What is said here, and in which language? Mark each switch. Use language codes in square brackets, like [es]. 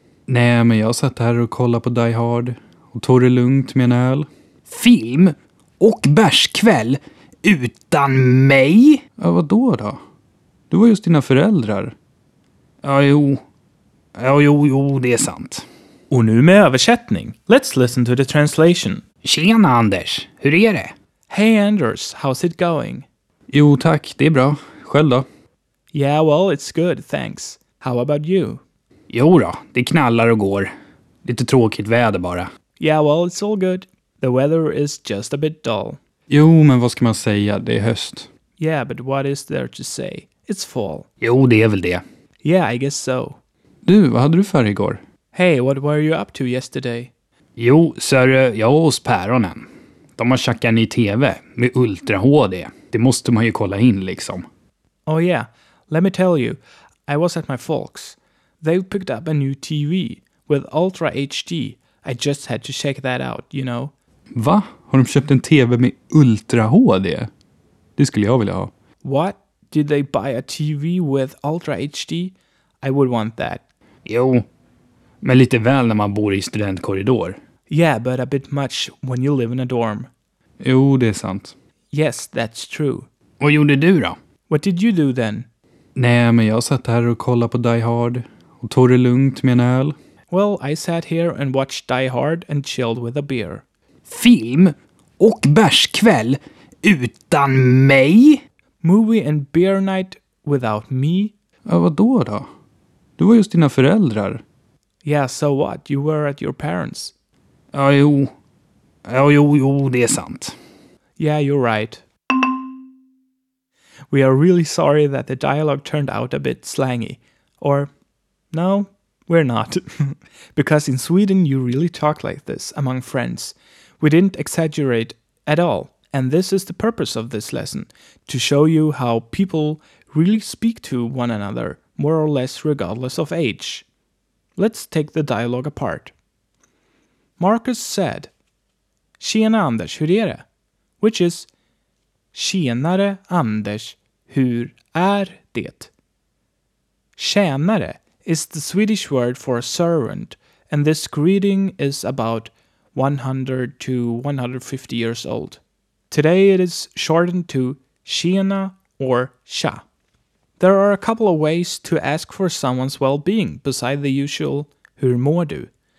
[sv] Nej, men jag satt här och kollade på Die Hard och tog det lugnt med en öl. Film och bärskväll utan mig? Ja, vadå då? Du var just dina föräldrar. Ja, jo. Ja, jo, det är sant. Och nu med översättning. [en] Let's listen to the translation. [sv] Tjena Anders, hur är det? [en] Hey Anders, how's it going? [sv] Jo, tack, det är bra. Själv då? [en] Yeah, well, it's good, thanks. How about you? [sv] Jo då, det knallar och går. Lite tråkigt väder bara. [en] Yeah, well, it's all good. The weather is just a bit dull. [sv] Jo, men vad ska man säga? Det är höst. [en] Yeah, but what is there to say? It's fall. [sv] Jo, det är väl det. [en] Yeah, I guess so. [sv] Du, vad hade du för igår? [en] Hey, what were you up to yesterday? [sv] Jo, sörre, jag var hos Päronen. De har tjackat en ny tv med Ultra HD. Det måste man ju kolla in, liksom. [en] Oh yeah, let me tell you. I was at my folks. They picked up a new TV with Ultra HD. I just had to check that out, you know. [sv] Va? Har de köpt en TV med Ultra HD? Det skulle jag vilja ha. [en] What? Did they buy a TV with Ultra HD? I would want that. [sv] Jo, men lite väl när man bor i studentkorridor. [en] Yeah, but a bit much when you live in a dorm. [sv] Jo, det är sant. [en] Yes, that's true. [sv] Vad gjorde du då? [en] What did you do then? [sv] Nej, men jag satt här och kollade på Die Hard och tog det lugnt med en öl. [en] Well, I sat here and watched Die Hard and chilled with a beer. [sv] Film och bärskväll utan mig? [en] Movie and beer night without me? [sv] Ja, vadå då? Du var just dina föräldrar. [en] Yeah, so what? You were at your parents. [sv] Ja, jo. Ja, jo, det är sant. [en] Yeah, you're right. We are really sorry that the dialogue turned out a bit slangy. Or, no? We're not. Because in Sweden you really talk like this among friends. We didn't exaggerate at all. And this is the purpose of this lesson. To show you how people really speak to one another, more or less regardless of age. Let's take the dialogue apart. Marcus said, [sv] Tjena Anders, hur är det? [en] Which is, [sv] Tjenare Anders, hur är det? [en] Tjänare is the Swedish word for a servant, and this greeting is about 100 to 150 years old. Today it is shortened to tjena or tja. There are a couple of ways to ask for someone's well-being, beside the usual [sv] hur mår du?